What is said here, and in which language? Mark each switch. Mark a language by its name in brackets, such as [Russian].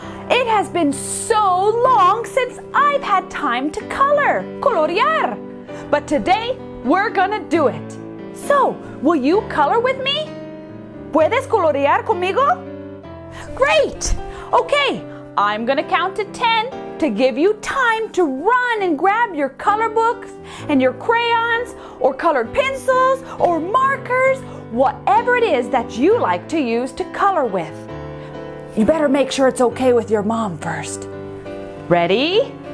[English] It has been so long since I've had time to color, [Spanish] colorear. [English] But today, we're gonna do it. So, will you color with me? [Spanish] ¿Puedes colorear conmigo? [English] Great! Okay, I'm gonna count to 10 to give you time to run and grab your color books and your crayons or colored pencils or markers, whatever it is that you like to use to color with. You better make sure it's okay with your mom first. Ready?